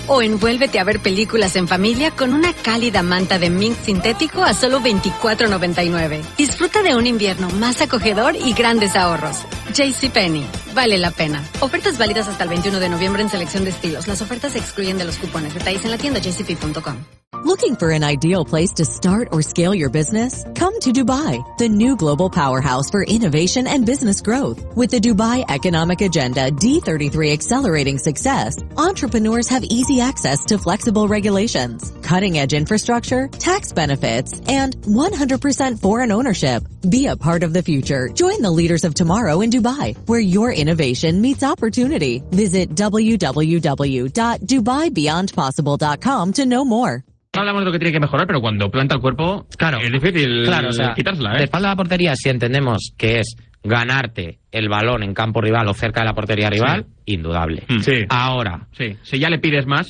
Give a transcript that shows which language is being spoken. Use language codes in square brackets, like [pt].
[es] O envuélvete a ver películas en familia con una cálida manta de mink sintético a solo $24.99. Disfruta de un invierno más acogedor y grandes ahorros. JCPenney. Vale la pena. Ofertas válidas hasta el 21 de noviembre en selección de estilos. Las ofertas se excluyen de los cupones. Detalles en la tienda jcp.com. [en] Looking for an ideal place to start or scale your business? Come to Dubai, the new global powerhouse for innovation and business growth. With the Dubai Economic Agenda D33 Accelerating Success, entrepreneurs have easy access to flexible regulations, cutting-edge infrastructure, tax benefits, and 100% foreign ownership. Be a part of the future. Join the leaders of tomorrow in Dubai, where your innovation meets opportunity. Visit www.dubaibeyondpossible.com to know more. [es] Hablamos de lo que tiene que mejorar, pero cuando planta el cuerpo, claro, es difícil, claro, o sea, quitársela, ¿eh? De espalda a la portería, si entendemos que es ganarte el balón en campo rival o cerca de la portería rival, sí, indudable. Sí. Ahora. Sí. Si ya le pides más.